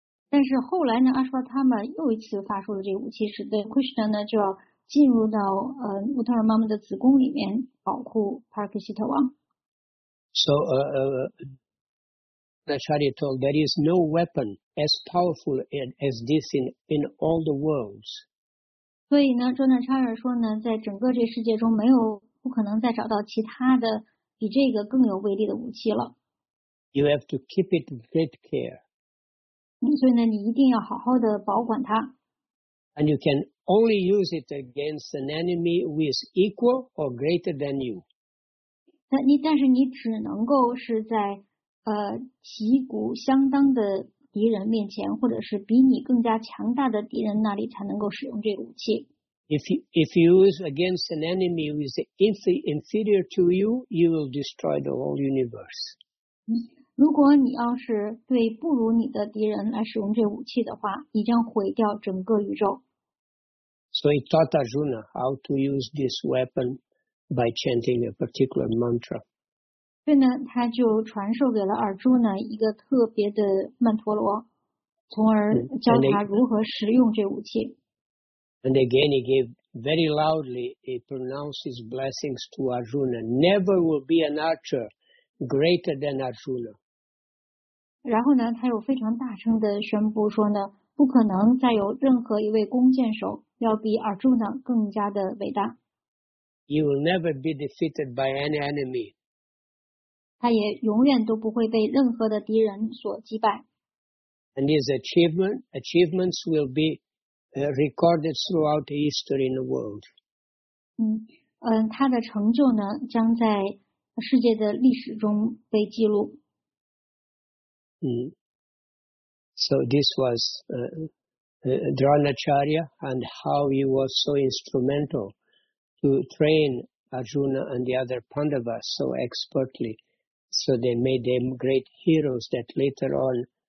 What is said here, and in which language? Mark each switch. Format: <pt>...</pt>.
<zh>但是后来呢 ，Ashwatthama 又一次发出了这个武器，使得 Krishna 呢就要进入到Uttara 妈妈的子宫里面保护 Parikshita 王。</zh> <en>So, Acharya told, there is no weapon as powerful as this in all the worlds.</en> <zh>所以呢，卓南查尔说呢，在整个这世界中，没有不可能再找到其他的比这个更有威力的武器了。</zh> <en>You have to keep it with great care.</en> <zh>所以呢，你一定要好好的保管它。</zh> <en>And you can only use it against an enemy who is equal or greater than you.</en> <zh>但是你只能够是在旗鼓相当的敌人面前，或者是比你更加强大的敌人那里才能够使用这个武器。</zh> <en>If you use against an enemy who is inferior to you, you will destroy the whole universe.</en> <zh>如果你要是对不如你的敌人来使用这武器的话，你将毁掉整个宇宙。</zh> <en>So he taught Arjuna how to use this weapon by chanting a particular mantra.</en> <zh>所以呢，他就传授给了Arjuna一个特别的曼陀罗，从而教他如何使用这武器。</zh> <en>And again, he gave very loudly. He pronounced his blessings to Arjuna. Never will be an archer greater than Arjuna.</en> <zh>然后呢，他又非常大声的宣布说呢，不可能再有任何一位弓箭手要比 Arjuna 更加的伟大。</zh> <en>You will never be defeated by any enemy.</en> <zh>他也永远都不会被任何的敌人所击败。</zh> <en>And his achievements will be. Recorded throughout the history in the world.</en> <zh>他的成就呢将在世界的历史中被记录。</zh> <en>So this was Dronacharya and how he was so instrumental to train Arjuna and the other Pandavas so expertly, so they made them great heroes that later on.</en>